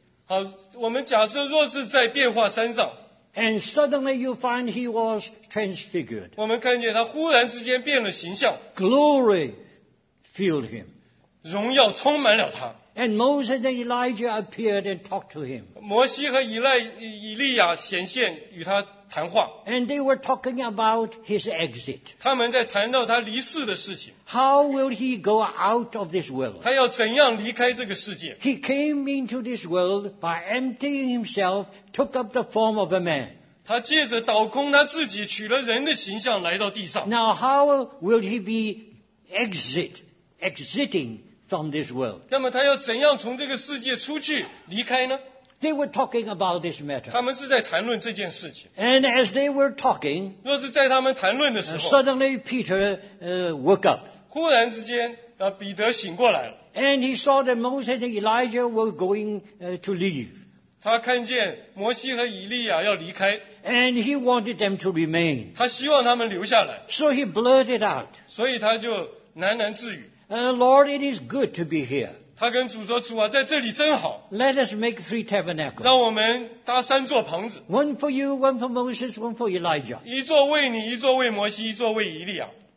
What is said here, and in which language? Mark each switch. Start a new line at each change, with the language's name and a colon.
Chinese: 好，我们假设若是在变化山上。
English: And suddenly you find he was transfigured.
Chinese: 我们看见他忽然之间变了形象。
English: Glory filled him.
Chinese: 荣耀充满了他。
English: And Moses and Elijah appeared and talked to him.
Chinese: 摩西和以利亚显现与他谈话。
English: And they were talking about his exit.
Chinese: 他们在谈到他离世的事情。
English: How will he go out of this world?
Chinese: 他要怎样离开这个世界?
English: He came into this world by emptying himself, took up the form of a man.
Chinese: 他借着倒空他自己取了人的形象来到地上。
English: Now how will he be exiting? From this world.
Chinese: 那么他要怎样从这个世界出去离开呢?
English: They were talking about this matter.
Chinese: 他们是在谈论这件事情。
English: And as they were talking,
Chinese: 若是在他们谈论的时候,
English: suddenly Peter woke up.
Chinese: 忽然之间, 彼得醒过来了。
English: And he saw that Moses and Elijah were going to leave.
Chinese: 他看见摩西和以利亚要离开。
English: And he wanted them to remain.
Chinese: 他希望他们留下来。
English: So he blurted out.
Chinese: 所以他就喃喃自语。
English: Lord, it is good to be here.
Chinese: 他跟主说，主啊，在这里真好。
English: Let us make three tabernacles.
Chinese: 让我们搭三座棚子。
English: One for you, one for Moses, one for Elijah.
Chinese: 一座为你，一座为摩西，一座为以利亚。